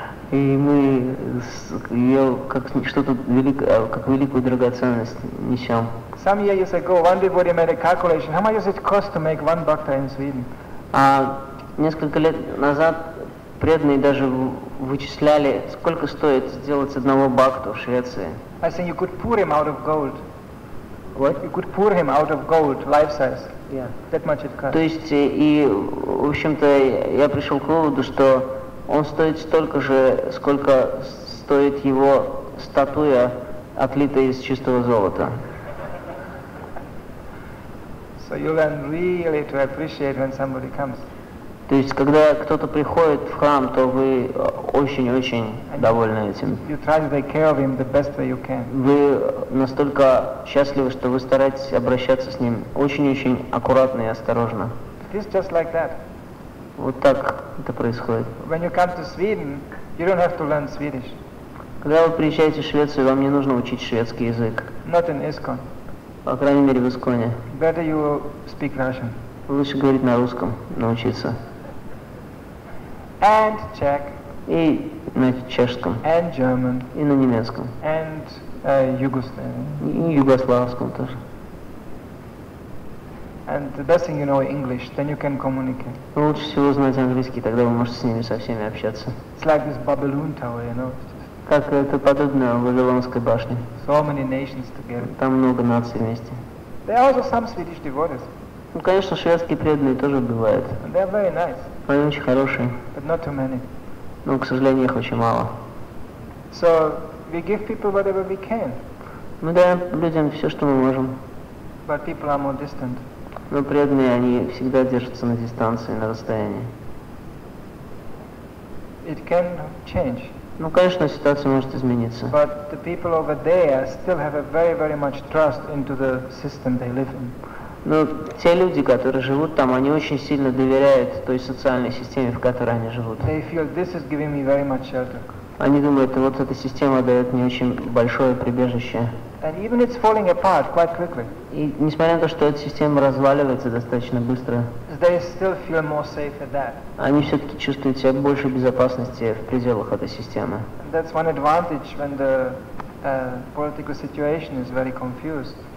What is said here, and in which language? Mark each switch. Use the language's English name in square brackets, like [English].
[Russian] И мы ее как что-то великое, как великую драгоценность несем. [English] Some years ago, one devotee made a calculation. How much does it cost to make one bhakta in Sweden? [Russian] Несколько лет назад преданные даже вычисляли, сколько стоит сделать одного бхакту в Швеции. [English] I think you could pour him out of gold. What? You could pour him out of gold, life size. Yeah. That much it cost. [Russian] То есть и в общем-то я пришел к выводу, что он стоит столько же, сколько стоит его статуя, отлитая из чистого золота. [English] So you learn really to appreciate when somebody comes. [Russian] То есть, когда кто-то приходит в храм, то вы очень-очень довольны этим. [English] You try to take care of him the best way you can. [Russian] Вы настолько счастливы, что вы стараетесь обращаться с ним очень-очень аккуратно и осторожно. [English] It is just like that. [Russian] Вот так это происходит. [English] When you come to Sweden, you don't have to learn Swedish. [Russian] Когда вы приезжаете в Швецию, вам не нужно учить шведский язык. [English] Not in ISKCON. [Russian] По крайней мере, в ИСКОНе. [English] Better you speak Russian. [Russian] Лучше говорить на русском, научиться. [English] And Czech. [Russian] И на чешском. [English] And German. [Russian] И на немецком. [English] And [Russian] Yugoslavian. И югославском тоже. [English] And the best thing you know English, then you can communicate. [Russian] Но лучше всего знать английский, тогда вы можете с ними со всеми общаться. [English] It's like this Babylon Tower, you know. [Russian] Как это подобно Вавилонской башне. [English] So many nations together. [Russian] Там много наций вместе. [English] There are also some Swedish devotees. [Russian] Ну, конечно, шведские преданные тоже бывают. [English] They are very nice. [Russian] Они очень хорошие. [English] But not too many. [Russian] Но, к сожалению, их очень мало. [English] So we give people whatever we can. [Russian] Мы даем людям все, что мы можем. [English] But people are more distant. [Russian] Но преданные, они всегда держатся на дистанции, на расстоянии. [English] It can change. [Russian] Ну, конечно, ситуация может измениться. [English] But the people over there still have a very, very much trust into the system they live in. [Russian] Но те люди, которые живут там, они очень сильно доверяют той социальной системе, в которой они живут. [English] They feel this is giving me very much shelter. [Russian] Они думают, вот эта система дает мне очень большое прибежище. [English] And even it's falling apart quite quickly. [Russian] И несмотря на то, что эта система разваливается достаточно быстро, [English] they still feel more safe at that. [Russian] Они все-таки чувствуют себя больше безопасности в пределах этой системы. [English] And that's one advantage when the political situation is very confused.